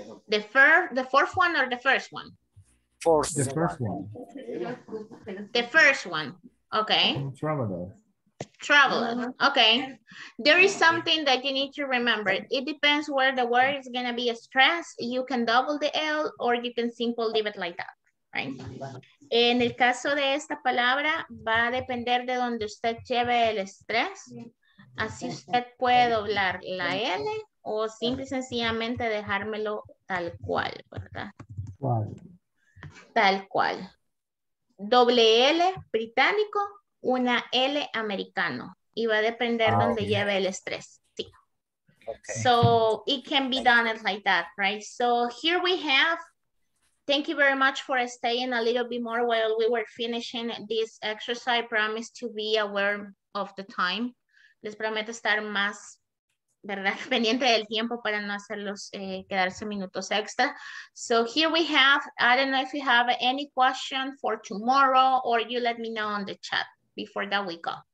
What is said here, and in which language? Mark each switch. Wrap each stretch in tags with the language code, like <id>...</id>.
<en>The first one. Okay. Traveler. Okay. There is something that you need to remember. It depends where the word is going to be stressed. You can double the L or you can simply leave it like that. Right?</en> <es>En el caso de esta palabra, va a depender de donde usted lleve el estrés. Así usted puede doblar la L o simple y sencillamente dejármelo tal cual, ¿verdad? Tal cual. Doble L británico, una L americano. Y va a depender donde lleve el estrés. Sí.</es> <en>Okay. So it can be done like that, right? So here we have, thank you very much for staying a little bit more while we were finishing this exercise. I promise to be aware of the time.</en> <es>Les prometo estar más, ¿verdad? Pendiente del tiempo para no hacerlos quedarse minutos extra.</es> <en>So here we have, I don't know if you have any question for tomorrow or you let me know on the chat before that we go.</en>